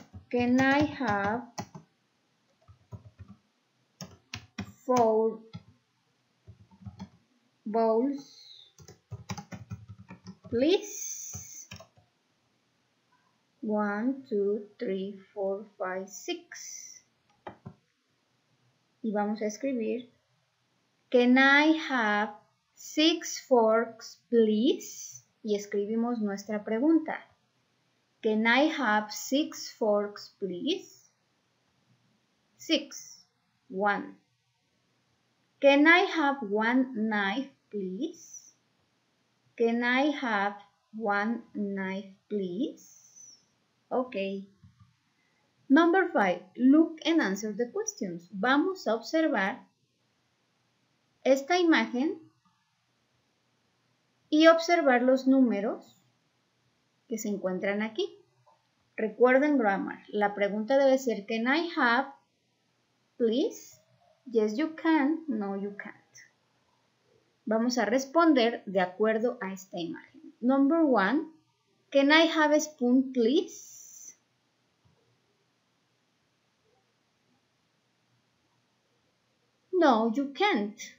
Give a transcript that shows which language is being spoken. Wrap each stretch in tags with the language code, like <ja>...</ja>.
<en>Can I have four bowls, please? One, two, three, four, five, six. Y vamos a escribir. Can I have six forks, please?</en> <es>Y escribimos nuestra pregunta.</es> <en>Can I have six forks, please? Six. One. Can I have one knife, please? Can I have one knife, please? Okay. Number five. Look and answer the questions.</en> <es>Vamos a observar esta imagen y observar los números que se encuentran aquí.</es> <en>Recuerden grammar. La pregunta debe ser, can I have, please? Yes, you can. No, you can't.</en> <es>Vamos a responder de acuerdo a esta imagen.</es> <en>Number one, can I have a spoon, please? No, you can't.</en>